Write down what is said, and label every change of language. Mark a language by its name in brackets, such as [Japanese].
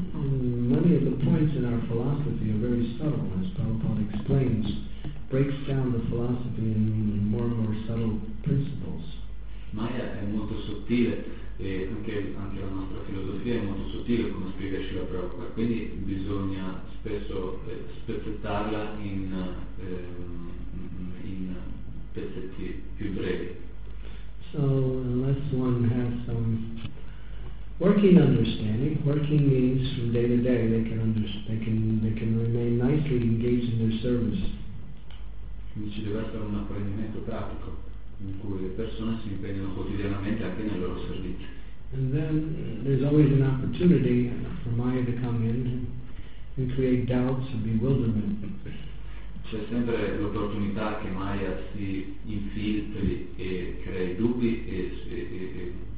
[English] And many of the points in our philosophy are very subtle, as Prabhupada explains. Breaks down the philosophy in more and more subtle principles. [Italian] Maya è molto sottile e anche la nostra filosofia è molto sottile, come spiega Srila Prabhupada, quindi bisogna spesso spezzettarla in pezzetti più brevi. [English] So unless one has some working understanding, working means from day to day they can remain nicely engaged in their service. [Italian] Quindi ci deve essere un apprendimento pratico in cui le persone si impegnano quotidianamente anche nel loro servizio. [English] And then there's always an opportunity for Maya to come in and create doubts or bewilderment. [Italian] C'è sempre l'opportunità che Maya si infiltri e crei dubbi e